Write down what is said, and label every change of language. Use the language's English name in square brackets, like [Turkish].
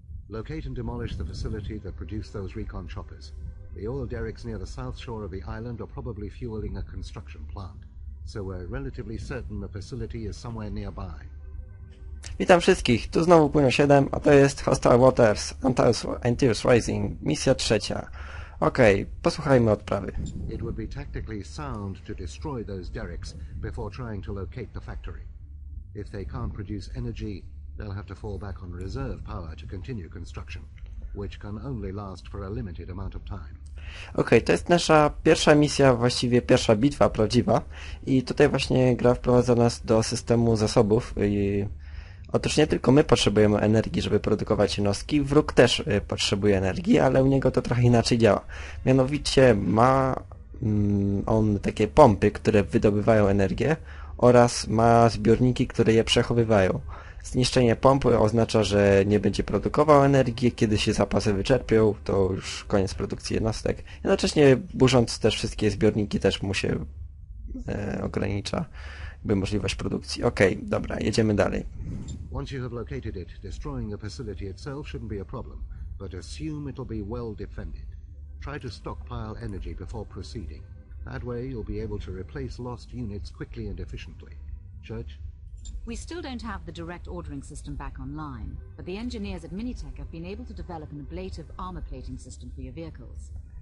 [English] Locate and demolish the facility that produced those recon choppers. The oil derricks near the south shore of the island are probably fueling a construction plant, so we're relatively certain the facility is somewhere nearby. [Polish] Witam wszystkich, tu znowu Płynu 7, a to jest Hostile Waters, Antares Rising, misja trzecia. Okej, posłuchajmy odprawy. [English] It would be tactically sound to destroy those derricks before trying to locate the factory. If they can't produce energy, they'll have to fall back on reserve power to continue construction, which can only last for a limited amount of time. [Polish] Okej, to jest nasza pierwsza misja, właściwie pierwsza bitwa prawdziwa. I tutaj właśnie gra wprowadza nas do systemu zasobów i... Otóż nie tylko my potrzebujemy energii, żeby produkować jednostki, wróg też potrzebuje energii, ale u niego to trochę inaczej działa. Mianowicie ma on takie pompy, które wydobywają energię oraz ma zbiorniki, które je przechowywają. Zniszczenie pompy oznacza, że nie będzie produkował energii, kiedy się zapasy wyczerpią, to już koniec produkcji jednostek. Jednocześnie burząc też wszystkie zbiorniki też mu się ogranicza by możliwość produkcji. Okej, dobra, jedziemy dalej. [English] Once you have located it, destroying the facility itself shouldn't be a problem, but assume it'll be well defended. Try to stockpile energy before proceeding. That way you'll be able to replace lost units quickly and efficiently. Church? We still don't have the direct ordering system back online, but the engineers at Minitech have been able to develop an ablative armor plating system for your vehicles.